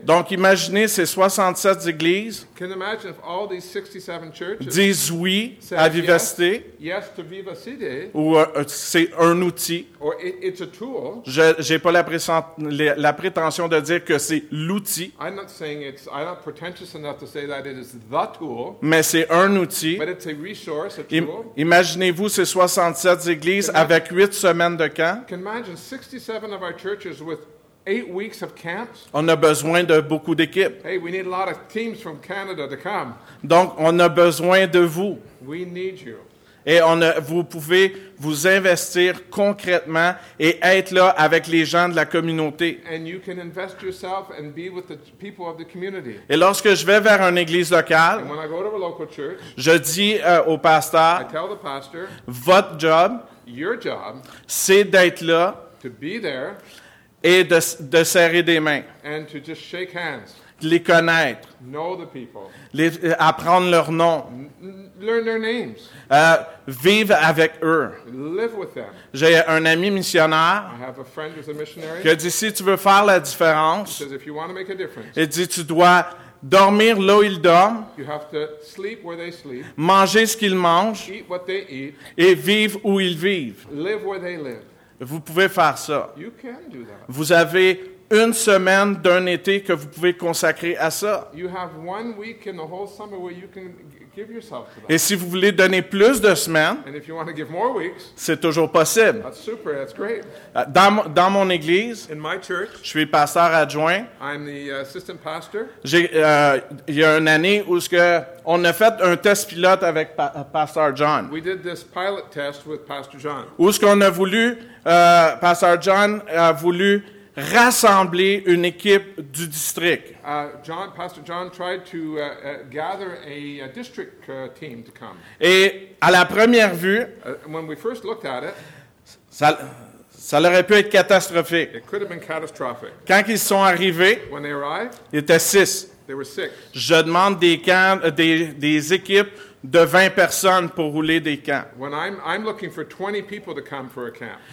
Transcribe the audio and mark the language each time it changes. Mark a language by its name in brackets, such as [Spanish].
[French] Donc, imaginez ces 67 églises. [English] Can you imagine if all these 67 churches [French] disent oui à Vivacité? [English] Yes to Vivacité. [French] Ou c'est un outil. [English] Or it's a tool. [French] J'ai pas la prétention de dire que c'est l'outil. [English] I'm not pretentious enough to say that it is the tool. [French] Mais c'est un outil. [English] But it's a resource, a tool. [French] Imaginez-vous ces 67 églises avec 8 semaines de camp. [English] Imagine 67 of our churches with 8 weeks of camps. [French] On a besoin de beaucoup d'équipes. [English] Hey, we need a lot of teams from Canada to come. [French] Donc, on a besoin de vous. [English] We need you. [French] Et vous pouvez vous investir concrètement et être là avec les gens de la communauté. [English] And you can invest yourself and be with the people of the community. [French] Et lorsque je vais vers une église locale, [English] and when I go to a local church, [French] je dis au pasteur, [English] I tell the pastor, [French] votre job, [English] your job, [French] c'est d'être là [English] to be there, [French] et de serrer des mains. [English] And to just shake hands. [French] Les connaître. [English] Know the people. [French] Apprendre leur nom. [English] Learn their names. [French] Vivre avec eux. [English] Live with them. [French] J'ai un ami missionnaire. [English] I have a friend who's a missionary. [French] Qui a dit, si tu veux faire la différence, [English] because if you want to make a difference, [French] il dit, tu dois dormir là où ils dorment, [English] you have to sleep where they sleep, [French] manger ce qu'ils mangent, [English] eat what they eat, [French] et vivre où ils vivent. [English] Live where they live. [French] Vous pouvez faire ça. [English] You can do that. [French] Vous avez une semaine d'un été que vous pouvez consacrer à ça. [English] You have one week in the whole summer where you can give yourself to that. [French] Et si vous voulez donner plus de semaines, [English] and if you want to give more weeks, [French] c'est toujours possible. [English] That's super, that's great. [French] Dans mon église, [English] in my church, [French] je suis pasteur adjoint. [English] I'm the assistant pastor. [French] Il y a une année où ce que on a fait un test pilote avec pasteur John. [English] We did this pilot test with Pastor John. [French] Où ce qu'on a voulu, pasteur John a voulu rassembler une équipe du district. [English] Pastor John tried to gather a district team to come. [French] Et à la première vue, [English] when we first looked at it, [French] ça aurait pu être catastrophique. [English] It could have been catastrophic. [French] Quand ils sont arrivés, [English] when they arrived, [French] ils étaient six. [English] They were six. [French] Je demande des équipes de 20 personnes pour rouler des camps. [English] When I'm looking for 20 people to come for a camp.